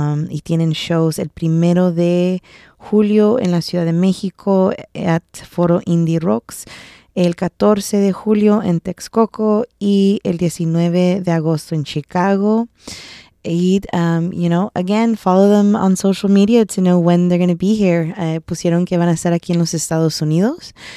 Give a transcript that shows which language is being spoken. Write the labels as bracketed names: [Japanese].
[Spanish] Y tienen shows el primero de julio en la Ciudad de México at Foro Indie Rocks, el 14 de julio en Texcoco y el 19 de agosto en Chicago. [English] And, you know, again, follow them on social media to know when they're going to be here. [Spanish] Pusieron que van a estar aquí en los Estados Unidos.